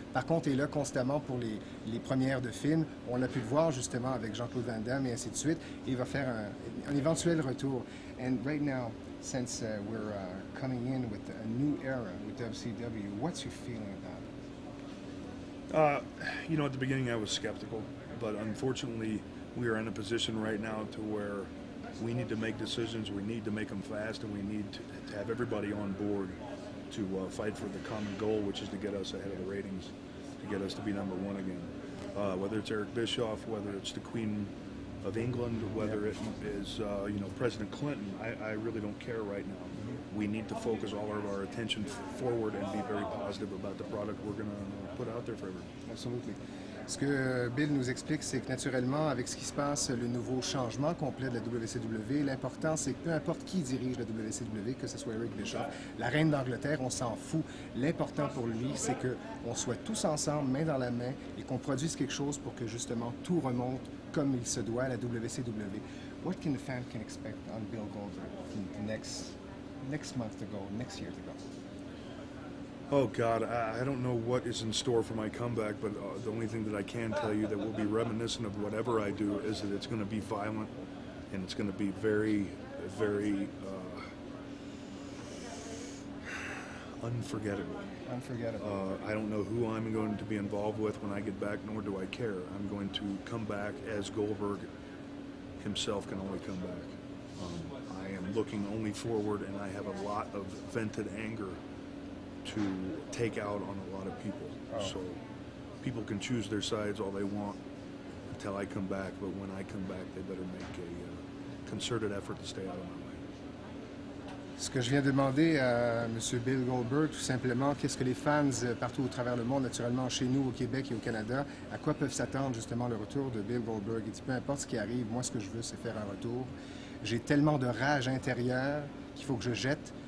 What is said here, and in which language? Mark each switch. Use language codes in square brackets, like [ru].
[fr] Par contre, il est là constamment pour les premières de films. On l'a pu le voir justement avec Jean-Claude Van Damme et ainsi de suite. Et il va faire un éventuel retour. [en] And right now, since we're coming in with a new era with WCW, what's your feeling about it? You know, at the beginning I was skeptical, but unfortunately we are in a position right now to where we need to make decisions, we need to make them fast, and we need to have everybody on board to fight for the common goal, which is to get us ahead of the ratings, to get us to be number one again. Whether it's Eric Bischoff, whether it's the Queen of England, whether it is, you know, President Clinton, I really don't care right now. We need to focus all of our attention forward and be very positive about the product we're going to put out there for everyone. Absolutely. [fr] Ce que Bill nous explique, c'est que naturellement, avec ce qui se passe, le nouveau changement complet de la WCW, l'important, c'est que peu importe qui dirige la WCW, que ce soit Eric Bischoff, la reine d'Angleterre, on s'en fout. L'important pour lui, c'est qu'on soit tous ensemble, main dans la main, et qu'on produise quelque chose pour que justement tout remonte comme il se doit à la WCW. [en] What can the fan can expect on Bill Goldberg next month to go, next year to go? Oh, God, I don't know what is in store for my comeback, but the only thing that I can tell you that will be reminiscent of whatever I do is that it's going to be violent, and it's going to be very, very unforgettable. I don't know who I'm going to be involved with when I get back, nor do I care. I'm going to come back as Goldberg himself can only come back. I am looking only forward, and I have a lot of vented anger to take out on a lot of people. Oh. So people can choose their sides all they want until I come back, but when I come back, they better make a concerted effort to stay out of my way. [fr] Ce que je viens de demander à Monsieur Bill Goldberg, tout simplement, qu'est-ce que les fans partout au travers le monde, naturellement chez nous au Québec et au Canada, à quoi peuvent s'attendre justement le retour de Bill Goldberg? Il dit, peu importe ce qui arrive, moi ce que je veux, c'est faire un retour. J'ai tellement de rage intérieure qu'il faut que je jette.